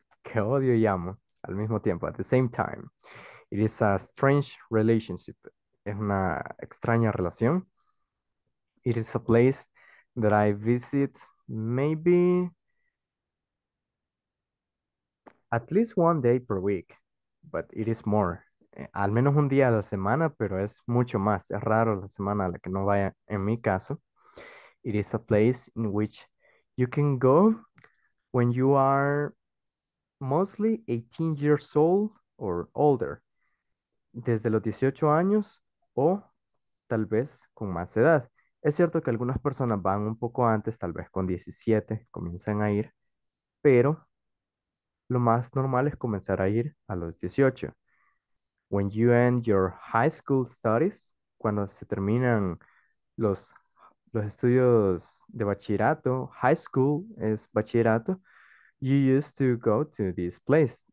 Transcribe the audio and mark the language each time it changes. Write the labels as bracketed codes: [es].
[es] Que odio y amo al mismo tiempo, [en] at the same time. It is a strange relationship. [es] Es una extraña relación. [en] It is a place that I visit maybe at least one day per week, but it is more. [es] Al menos un día a la semana, pero es mucho más. Es raro la semana a la que no vaya en mi caso. [en] It is a place in which you can go when you are mostly 18 years old or older. [es] Desde los 18 años o tal vez con más edad. Es cierto que algunas personas van un poco antes, tal vez con 17, comienzan a ir, pero lo más normal es comenzar a ir a los 18. [en] When you end your high school studies, [es] cuando se terminan los estudios de bachillerato, [en] high school es bachillerato, you used to go to this place.